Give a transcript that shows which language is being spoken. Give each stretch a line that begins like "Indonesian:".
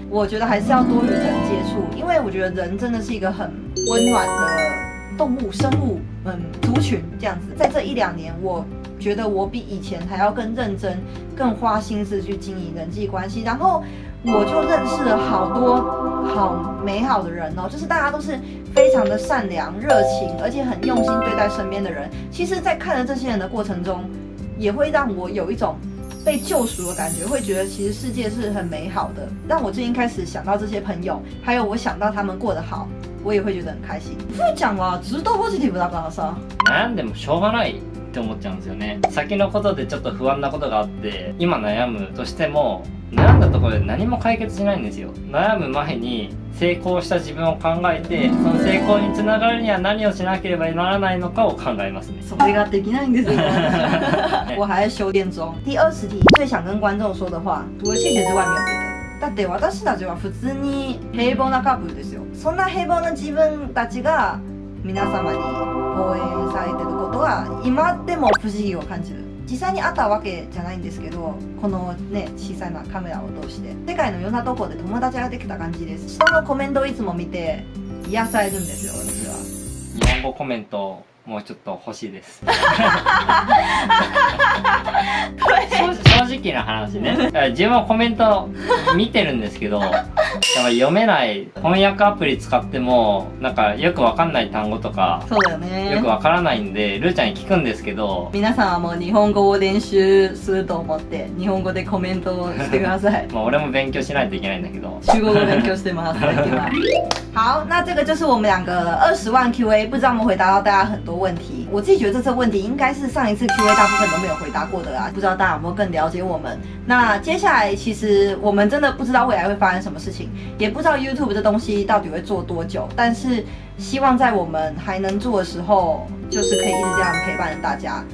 Chinese: 我觉得还是要多与人接触，因为我觉得人真的是一个很温暖的动物生物，嗯，族群这样子。在这一两年，我觉得我比以前还要更认真，更花心思去经营人际关系，然后我就认识了好多好美好的人哦，就是大家都是非常的善良、热情，而且很用心对待身边的人。其实，在看着这些人的过程中，也会让我有一种被救赎的感觉，会觉得其实世界是很美好的。让我最近开始想到这些朋友，还有我想到他们过得好，我也会觉得很开心。
Japanese: ふーちゃんはずっとポジティブだからさ、悩んでもしょうがない。って思っちゃうんですよね。先のことでちょっと不安なことがあって、今悩むとしても悩んだところで何も解決しないんですよ。悩む前に成功した自分を考えて、その成功につながるには何をしなければならないのかを考えますね。それができないんですよ。
Chinese: 我还在修炼中。第二十题，最想跟观众说的话，除了谢谢之外没有别的。
Japanese: だって私たちは普通に平凡なカップルですよ。そんな平凡な自分たちが皆様に応援されてることは今でも不思議を感じる。実際に会ったわけじゃないんですけど、このね小さなカメラを通して世界のいろんなところで友達ができた感じです。下のコメントをいつも見て癒されるんですよ。私は日本語コメントもうちょっと欲しいです。正直な話ね、自分はコメント見てるんですけど、やっぱ読めない翻訳アプリ使ってもなんかよくわかんない単語とか、そうだよね、よくわからないんでルーちゃんに聞くんですけど、皆さんはもう日本語を練習すると思って日本語でコメントをしてください。まあ俺も勉強しないといけないんだけど、中国語勉強してます。
Chinese: 好，那这个就是我们两个二十万 Q&A， 不知道我们回答到大家很多问题。我自己觉得这次问题应该是上一次 Q&A 大部分都没有回答过的啦，不知道大家有没有更了解我们。那接下来其实我们真的不知道未来会发生什么事情，也不知道 YouTube 这东西到底会做多久，但是希望在我们还能做的时候，就是可以一直这样陪伴着大家。